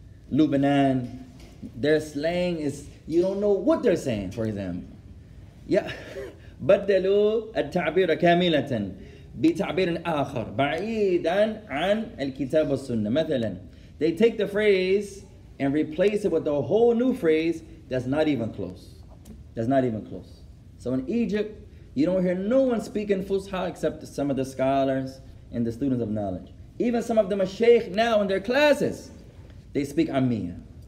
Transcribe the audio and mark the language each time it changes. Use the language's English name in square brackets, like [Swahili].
[English] Lebanon, their slang is, you don't know what they're saying, for example. [Arabic] Yeah, بدلوا التعبير كاملة بتعبير آخر بعيدا عن الكتاب والسنة مثلا. [English] They take the phrase and replace it with a whole new phrase that's not even close. That's not even close. So in Egypt, you don't hear no one speaking Fusha except some of the scholars and the students of knowledge. Even some of the mashaykh now in their classes, they speak Amiya.